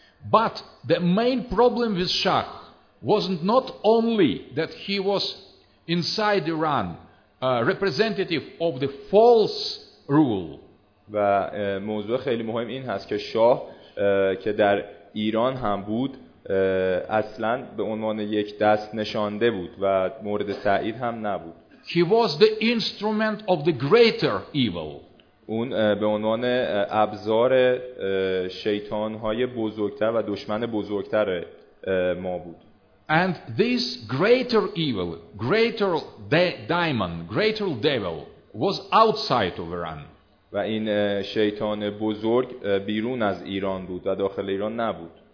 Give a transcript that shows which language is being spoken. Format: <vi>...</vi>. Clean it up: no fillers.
<en>But the main problem with Shah was not only that he was inside Iran representative of the false rule.</en> <fa>و موضوع خیلی مهم این هست که شاه که در ایران هم بود اصلا به عنوان یک دست نشانده بود و مورد تایید هم نبود.</fa> <en>He was the instrument of the greater evil.</en> <fa>اون به عنوان ابزار شیطان‌های بزرگتر و دشمن بزرگتر ما بود.</fa> <en>And this greater evil, greater demon, greater devil was outside of Iran.</en> <fa>و این شیطان بزرگ بیرون از ایران بود و داخل ایران نبود.</fa>